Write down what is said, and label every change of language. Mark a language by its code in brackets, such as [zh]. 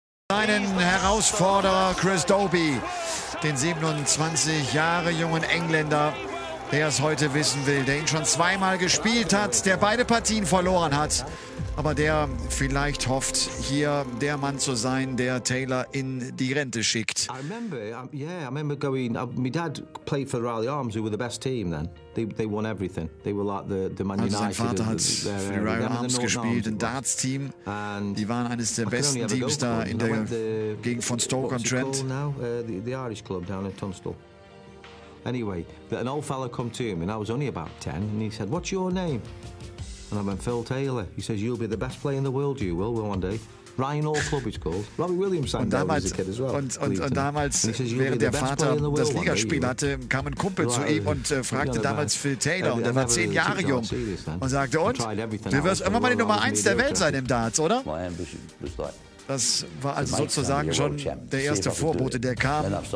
[de] Seinen Herausforderer Chris Doby, den 27 Jahre jungen Engländer, der es heute wissen will, der ihn schon zweimal gespielt hat, der beide Partien verloren hat. Aber der vielleicht hofft, hier der Mann zu sein, der Taylor in die Rente schickt. [en] I remember, my dad played for Rally Arms, who were the best team then. They won everything. They were like the Man United. [de] Sein Vater hat für Rally Arms gespielt, ein Darts-Team. Die waren eines der besten Teams da in der Gegend von Stoke-on-Trent. [en] The Irish club down in Tunstall. Anyway, an old fella come to me, and I was only about 10, and he said, what's your name? And I went, Phil Taylor. He says, you'll be the best player in the world, you will one day. Ryan Hall Club is called. Robbie Williams sang that as a kid as well. [de] Und damals, während der Vater das Ligaspiel hatte, kam ein Kumpel zu ihm und fragte damals Phil Taylor, und er war 10 Jahre jung, und sagte, und? Du wirst immer mal die Nummer 1 der Welt sein im Darts, oder? Das war also sozusagen schon der erste Vorbote, der kam.